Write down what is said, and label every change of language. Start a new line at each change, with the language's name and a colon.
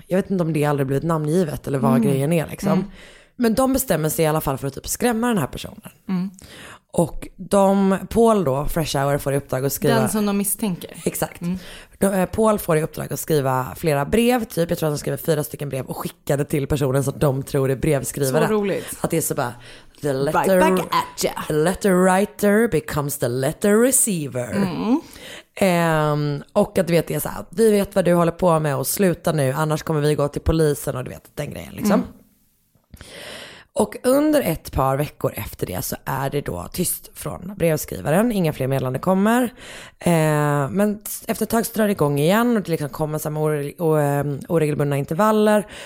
Swedish: Jag vet inte om det aldrig blivit namngivet eller vad grejen är liksom. Mm. Men de bestämmer sig i alla fall för att typ skrämma den här personen. Mm. Och de, Paul då, Freshour, får i uppdrag att skriva... Den som de misstänker. Exakt. Mm. Paul får i uppdrag att skriva flera brev, typ. Jag tror att de skriver 4 stycken brev och skickade till personen som de tror är brevskrivare. Så roligt. Att det är så bara...
English: The letter, right back at ya. The letter writer becomes the letter receiver. Mm.
Swedish: Och att du vet, det är så här, vi vet vad du håller på med och sluta nu, annars kommer vi gå till polisen och du vet, den grejen liksom. Mm. Och under ett par veckor efter det så är det då tyst från brevskrivaren. Inga fler meddelanden kommer. Men efter ett tag så drar det igång igen och det liksom kommer samma oregelbundna intervaller.